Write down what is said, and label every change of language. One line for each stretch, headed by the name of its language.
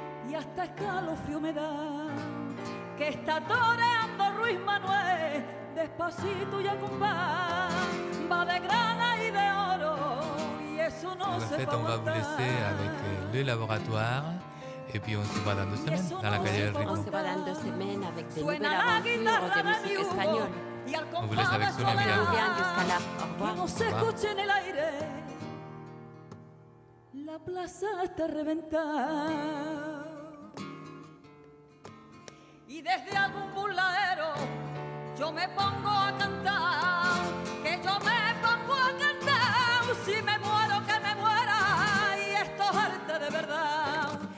Spanish: Y hasta escalofrío me da que está toreando Ruiz Manuel despacito y a compás. Va de grana y de oro y eso no se va a aguantar. Perfecto, vamos a
French: vous laisser avec le laboratoire. Et puis on se va dans deux semaines dans la calle del Ritmo. On se va dans deux semaines avec des nouvelles aventures de musique espagnole.
Spanish: Y al compás de soledad, que no se escuche en el aire, la plaza está reventada. Y desde algún burladero yo me pongo a cantar, que yo me pongo a cantar, si me muero que me muera, y esto es arte de verdad.